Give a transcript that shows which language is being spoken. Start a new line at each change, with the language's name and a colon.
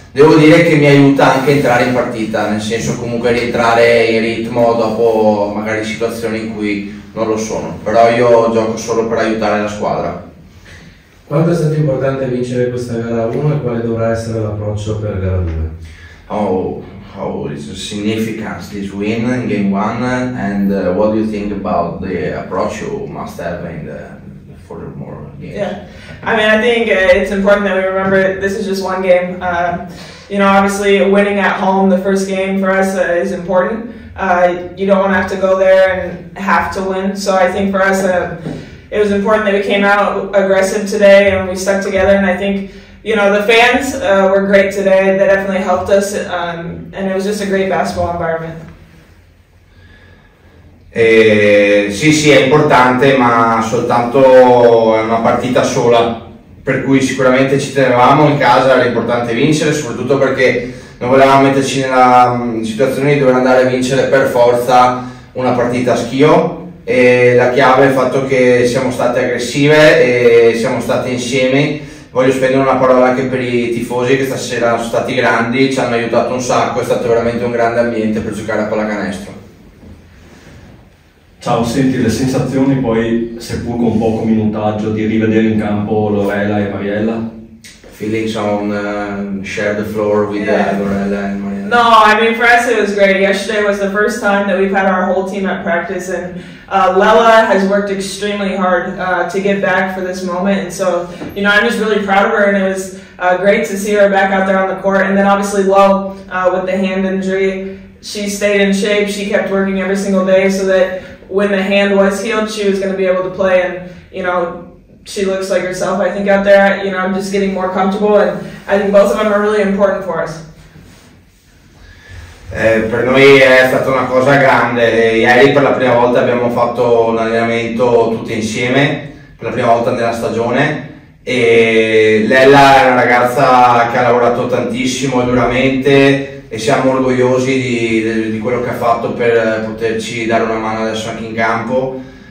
Italian: devo dire che mi aiuta anche entrare in partita, nel senso comunque rientrare in ritmo dopo magari situazioni in cui non lo sono, però io gioco solo per aiutare la squadra. Quanto è stato importante vincere questa gara 1 e quale dovrà essere l'approccio per la gara 2?
English: Oh, it's a significant this win in game 1, and what do you think about the approach you must have in the further more games? Yeah, I mean, I think it's important that we remember this is just one game. You know, obviously winning at home the first game for us is important. You don't want to have to go there and have to win, so I think for us it was important that we came out aggressive today and we stuck together, and I think, you know, the fans were great today. They definitely helped us, and it was just a great basketball environment.
Italian: Sì, sì, è importante, ma soltanto una partita sola, per cui sicuramente ci tenevamo in casa, era importante vincere, soprattutto perché non volevamo metterci nella situazione di dover andare a vincere per forza una partita a schio. E la chiave è il fatto che siamo state aggressive e siamo state insieme. Voglio spendere una parola anche per i tifosi che stasera sono stati grandi, ci hanno aiutato un sacco, è stato veramente un grande ambiente per giocare a pallacanestro. Ciao, senti, le sensazioni poi, seppur con poco minutaggio, di rivedere in campo Lorella e Mariella?
English: Feelings on share the floor with Lorella and Mariella? No, I mean, for us it was great. Yesterday was the first time that we've had our whole team at practice, and Lella has worked extremely hard to get back for this moment, and so, you know, I'm just really proud of her, and it was great to see her back out there on the court. And then obviously Lo, with the hand injury, she stayed in shape, she kept working every single day so that when the hand was healed she was going to be able to play, and, you know, she looks like herself, I think, out there. You know, I'm just getting more comfortable, and I think both of them are really important for us.
Italian: Per noi è stata una cosa grande. Ieri per la prima volta abbiamo fatto un allenamento tutti insieme, per la prima volta nella stagione, e Lella è una ragazza che ha lavorato tantissimo e duramente, e siamo orgogliosi di quello che ha fatto per poterci dare una mano adesso anche in campo.